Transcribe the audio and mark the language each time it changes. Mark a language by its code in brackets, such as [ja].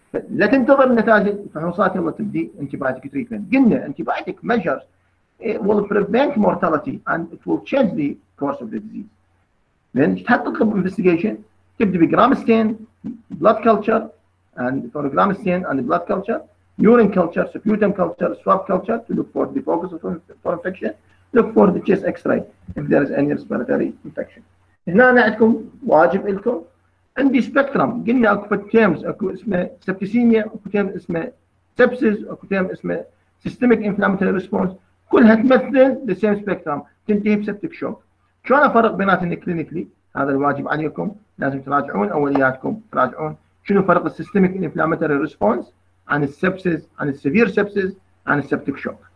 [ar] لا تنتظر نتائج الفحوصات يلا تبدي [en] antibiotic treatment. [ar] قلنا [en] antibiotic measures it will prevent mortality and it will change the course of the disease. [ar] لين تحقق [en] investigation. [ar] تبدي بجرام ستين, [en] blood culture, and for gram stain and blood culture, urine culture, sputum culture, swab culture to look for the focus of for infection, look for the chest X-ray if there is any respiratory infection. [ar] هنا عندكم واجب لكم عندي spectrum. قلنا أكو terms أكو اسمه septicemia, أكو terms اسمه sepsis, أكو terms اسمه systemic inflammatory response. كلها تمثل [en] the same spectrum. [ar] تنتهي [en] septic shock. [ar] شو أنا فرق بيناتهم clinically؟ هذا الواجب عليكم, لازم تراجعون أولياتكم, تراجعون شنو فرق السيستميك انفلاماتوري ريسبونس عن السبسيس, عن السيفير سبسيس, عن السبتيك شوك.